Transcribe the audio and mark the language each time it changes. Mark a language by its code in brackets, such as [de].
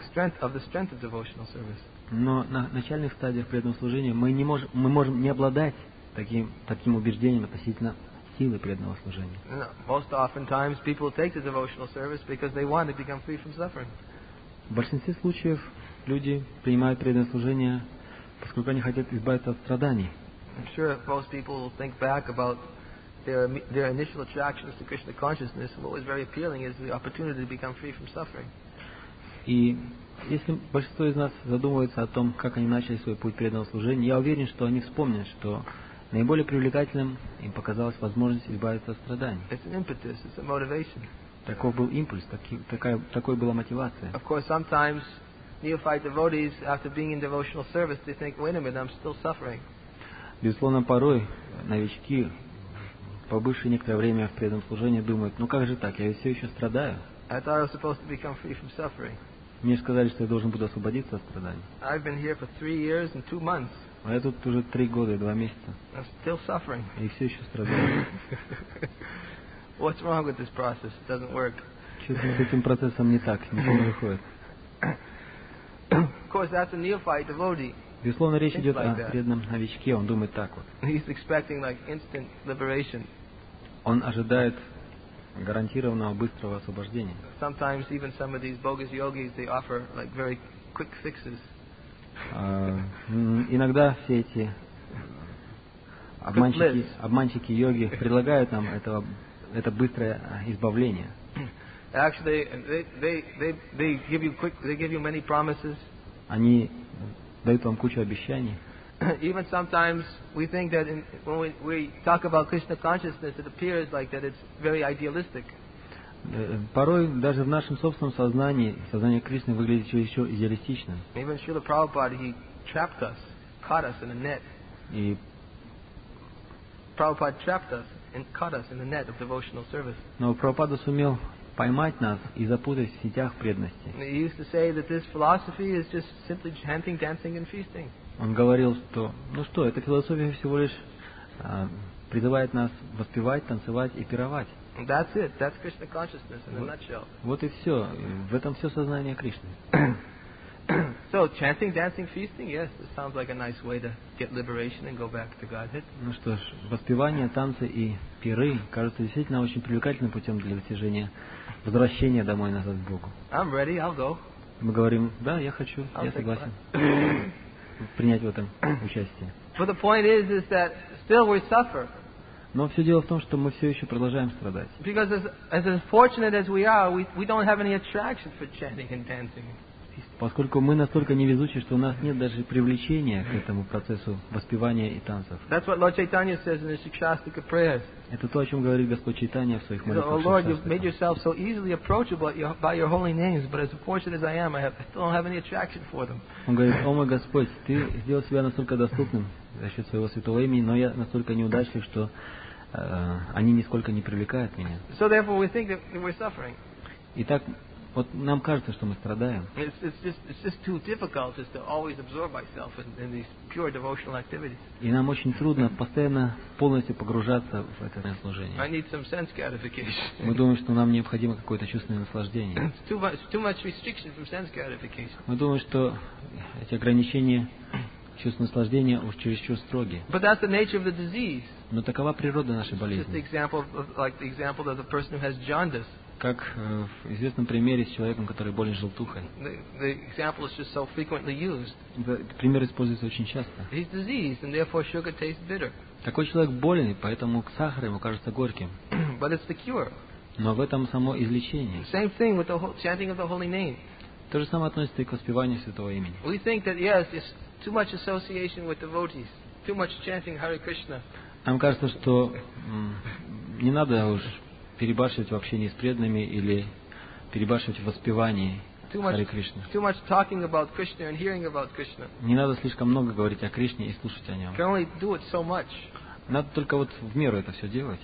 [ru] Но на начальных стадиях преданного служения мы можем не обладать таким убеждением относительно силы преданного служения. В большинстве случаев люди принимают преданное служение, поскольку они хотят избавиться от страданий. [en] I'm sure most people will think back about their initial attractions to Krishna consciousness. What was very appealing is the opportunity to become free from suffering. [ru] И если большинство из нас задумывается о том, как они начали свой путь преданного служения, я уверен, что они вспомнят, что наиболее привлекательным им показалась возможность избавиться от страданий. [en] It's an impetus, it's a motivation. [ru] Таков был импульс, такой была мотивация. [en] Of course, sometimes neophyte devotees, after being in devotional service, they think, wait a minute, I'm still suffering. [ru] Безусловно, порой новички, побывшие некоторое время в преданном служении, думают, ну как же так, я ведь все еще страдаю. [en] I thought I was supposed to become free from suffering. [ru] Мне сказали, что я должен буду освободиться от страданий. [en] I've been here for 3 years and 2 months. [ru] А я тут уже 3 года и 2 месяца. [en] I'm still suffering. [ru] И все еще страдаю. [en] What's wrong with this process? It doesn't work. [ru] Что-то с этим процессом не так, ничего не выходит. [en] Of course, that's a neophyte devotee. [ru] Безусловно, речь идет о преданном новичке, он думает так вот. [en] He's expecting like instant liberation. [ru] Он ожидает гарантированного быстрого освобождения. [en] Sometimes even some of these bogus yogis, they offer like very quick fixes. [ru] Иногда все эти обманщики йоги предлагают нам это быстрое избавление. [en] Actually, they give you quick, they give you many promises. [ru] Они дают вам кучу обещаний. [en] Even sometimes we think that when we talk about Krishna consciousness, it appears like that it's very idealistic. [ru] Порой даже в нашем собственном сознании сознание Кришны выглядит чересчур идеалистичным. [en] Even Srila Prabhupada, he trapped us, caught us in a net. [ru] И [en] Prabhupada trapped us and caught us in the net of devotional service. [ru] Но Прабхупада сумел поймать нас и запутать в сетях преданности. [en] He used to say that this philosophy is just simply chanting, dancing and feasting. [ru] Он говорил, что эта философия всего лишь призывает нас воспевать, танцевать и пировать. [en] That's it. That's Krishna consciousness in a nutshell. [ru] Вот и все. В этом все сознание Кришны. [en] So chanting, dancing, feasting, yes, it sounds like a nice way to get liberation and go back to Godhead. [ru] Ну что ж, воспевание, танцы и пиры кажутся действительно очень привлекательным путем для достижения возвращения домой назад к Богу. [en] I'm ready. I'll go. [ru] Мы говорим, да, я хочу, я согласен принять в этом участие. [en] But the point is that still we suffer. [ru] Но все дело в том, что мы все еще продолжаем страдать. [en] Because as unfortunate as we are, we don't have any attraction for chanting and dancing. [ru] Поскольку мы настолько невезучи, что у нас нет даже привлечения к этому процессу воспевания и танцев. [en] That's what Lord Chaitanya says in his Shikshastika prayers. [ru] Это то, о чем говорит Господь Чайтанья в своих молитвах. [en] Oh Lord, you've made yourself so easily approachable by your holy names, but as unfortunate as I am, I still don't have any attraction for them. [ru] Он говорит: О мой Господь, ты сделал себя настолько доступным за счет своего святого имени, но я настолько неудачлив, что они нисколько не привлекают меня. [en] So therefore we think that we're suffering. [ru] Итак, вот нам кажется, что мы страдаем. [en] It's just too difficult just to always absorb myself in these pure devotional activities. [ru] И нам очень трудно постоянно полностью погружаться в это служение. [en] I need some sense gratification. [ru] Мы думаем, что нам необходимо какое-то чувственное наслаждение. [en] Too much restriction from sense gratification. [ru] Мы думаем, что эти ограничения чувств наслаждения уж чересчур строгие. [en] But that's the nature of the disease. [ru] Но такова природа нашей болезни. [en] Just the example of, like the example of the person who has jaundice. [ru] Как в известном примере с человеком, который болен желтухой. [en] The example is just so frequently used. [ru] Пример используется очень часто. [en] He's diseased, and therefore sugar tastes bitter. [ru] Такой человек болен, поэтому сахар ему кажется горьким. [en] But it's the cure. [ru] Но в этом само излечение. [en] Same thing with the whole chanting of the holy name. [ru] То же самое относится и к воспеванию святого имени. [en] We think that yes, it's too much association with devotees, too much chanting Hare Krishna. [ru] Нам кажется, что не надо уж перебарщивать в общении с преданными или перебарщивать в воспевании Харе Кришны. Не надо слишком много говорить о Кришне и слушать о нем. Надо только вот в меру это все делать.